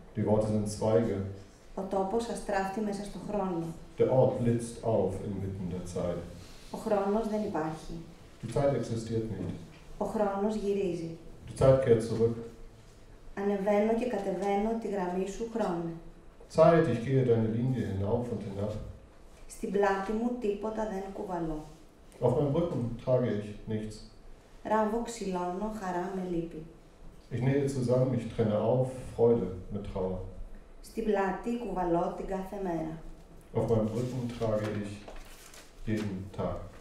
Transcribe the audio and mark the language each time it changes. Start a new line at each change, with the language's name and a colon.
German: Die Worte sind Zweige.
Greek: Ο τόπος αστράφτει μέσα στο χρόνο.
German: Der Ort blitzt auf inmitten der Zeit.
Greek: Ο χρόνος δεν υπάρχει.
German: Die Zeit existiert nicht.
Greek: Ο χρόνος γυρίζει.
German: Die Zeit kehrt zurück.
Greek: Ανεβαίνω και κατεβαίνω τη γραμμή σου χρόνο.
German: Zeit, ich gehe deine Linie hinauf und hinab.
Greek: Στην πλάτη μου τίποτα δεν κουβαλώ.
German: Auf meinem Rücken trage ich nichts.
Greek: Ράβω, ξυλώνω, χαρά με λύπη.
German: Ich nähe zusammen, ich trenne auf, Freude mit Trauer.
Greek: Στην πλάτη κουβαλώ την κάθε μέρα.
German: Auf meinem Rücken trage ich jeden Tag.